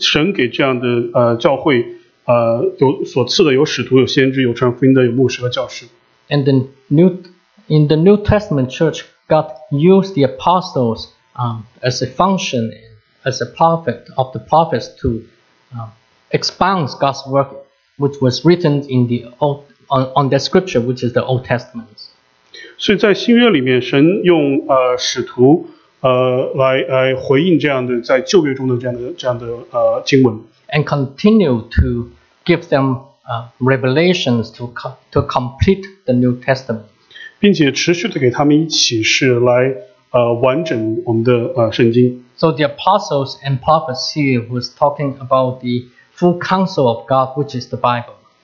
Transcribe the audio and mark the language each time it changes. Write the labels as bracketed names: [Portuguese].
[Chinese] 所以在第四章我们可以看到，就是说，神给这样的教会。有所赐的有使徒有先知有传福音的有牧师和教师。 [English] And in the New Testament church, God used the apostles as a function, as a prophet of the prophets to expound God's work, which was written in the old on the scripture, which is the Old Testament. [Chinese] 所以在新约里面，神用使徒来回应这样的在旧约中的这样的经文。 [English] And continue to give them revelations to complete the New Testament. [Chinese] 并且持续地给他们一启示来完整我们的圣经。 [English] So the apostles and prophets here was talking about the full counsel of God, which is the Bible.